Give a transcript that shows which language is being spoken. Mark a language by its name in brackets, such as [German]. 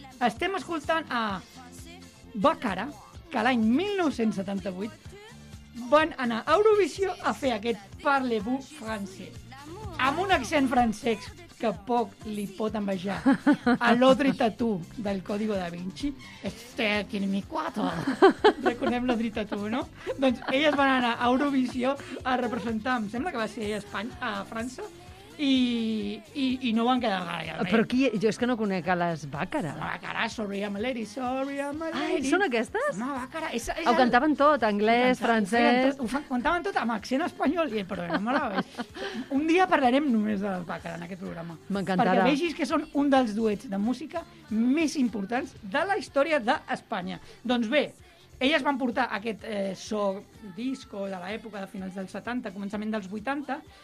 [Catalan] Estem escoltant a Bacara, que l'any 1978 van anar a Eurovisió a fer aquest Parlez-vous français, amb un accent francès que poc li pot envejar a l'Audrey Tautou del Código da Vinci. [Spanish] Estoy aquí en mi cuarto. [Catalan] Recordem l'Audrey Tautou, no? Doncs elles van anar a Eurovisió a representar, em sembla que va ser a Espanya, a França, i no van quedar gaire bé. Però qui? Jo és que no conec a les Bacara. [English] Bacara, sorry I'm a lady, sorry I'm a lady. [Catalan] Ah, són aquestes? No, Bacara. Ho cantaven tot, anglès, francès... Ho cantaven tot amb accent espanyol. Però no me la veig. Un dia parlarem només de les Bacara en aquest programa. M'encantarà. Perquè vegis que són un dels duets de música més importants de la història d'Espanya. Doncs bé, elles van portar aquest so disco de l'època de finals dels 70, començament dels 80...